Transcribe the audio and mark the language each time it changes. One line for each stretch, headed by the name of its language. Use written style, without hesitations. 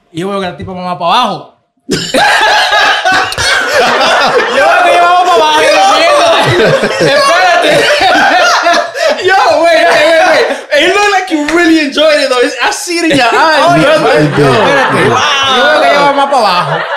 Spanish: Y yo veo que la tipa mamá para abajo. Yo veo que yo mamá para abajo. Espérate.
English: Yo, wait. It looked like you really enjoyed it, though. I see it in your eyes.
Spanish: Oh, yo veo que yo mamá para abajo.